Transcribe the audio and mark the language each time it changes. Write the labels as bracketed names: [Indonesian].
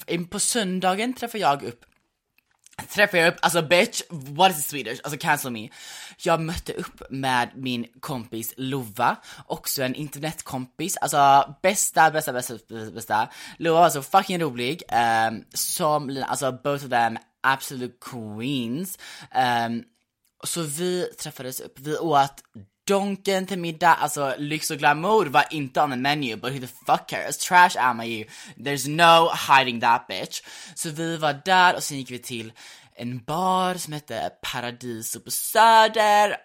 [Swedish] På söndagen träffar jag upp, alltså [English] bitch, what is it, Swedish? [Swedish] Alltså cancel me. Jag mötte upp med min kompis Lova, också en internetkompis. Alltså bästa. Lova var så fucking rolig. Alltså [English] both of them absolute queens. [Swedish] Så vi träffades upp, vi åt donken till middag. Alltså lyx och glamour var inte [English] on the menu, but who the fuck cares, trash am I you, there's no hiding that bitch. [Swedish] Så vi var där och sen gick vi till en bar som hette Paradiso på Söder.